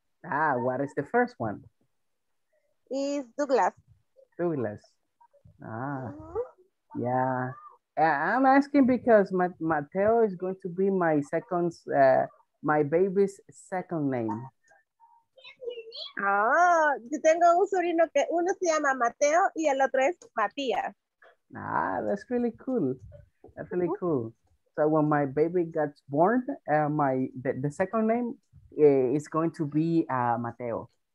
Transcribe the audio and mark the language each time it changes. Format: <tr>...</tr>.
<en>Ah, what is the first one? It's Douglas. Douglas. Ah, mm-hmm. Yeah. I'm asking because Mateo is going to be my second, my baby's second name.</en> <es>Ah, yo tengo un sobrino que uno se llama Mateo y el otro es Matías.</es> <en>Ah, that's really cool. That's really cool. So when my baby gets born, the second name is going to be Mateo.</en>